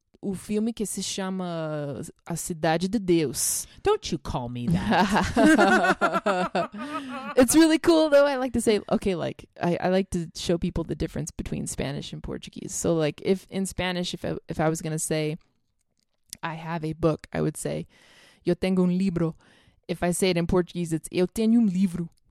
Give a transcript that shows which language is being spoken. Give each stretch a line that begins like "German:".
Portuguese: O filme que se chama A Cidade de Deus.
English: Don't you call me that. It's really cool, though. I like to say, okay, like, I like to show people the difference between Spanish and Portuguese. So, like, if in Spanish, if I was going to say, I have a book, I would say,
Spanish: Yo tengo un libro.
English: If I say it in Portuguese, it's
Portuguese: Eu tenho um livro.